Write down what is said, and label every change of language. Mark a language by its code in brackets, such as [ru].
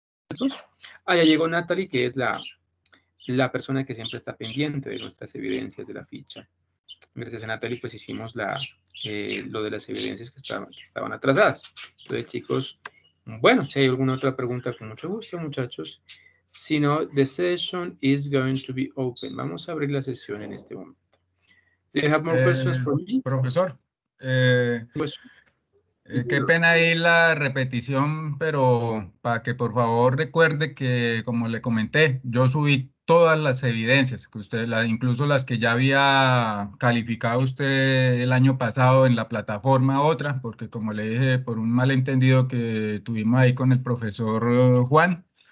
[es] Entonces, allá llegó Natalie, que es la persona que siempre está pendiente de nuestras evidencias de la ficha. Gracias a Natalie, pues hicimos lo de las evidencias que estaban atrasadas. Entonces, chicos, bueno, si hay alguna otra pregunta, con mucho gusto, muchachos. Si no, [en] the session is going to be open. [es] Vamos a abrir la sesión en este momento. [en] Do you have more questions for me? [es] Profesor, qué pena ahí la repetición, pero para que por favor recuerde que, como le comenté, yo subí todas las evidencias, que usted, incluso las que ya había calificado usted el año pasado en la plataforma otra, porque como le dije, por un malentendido que tuvimos ahí con el profesor Juan,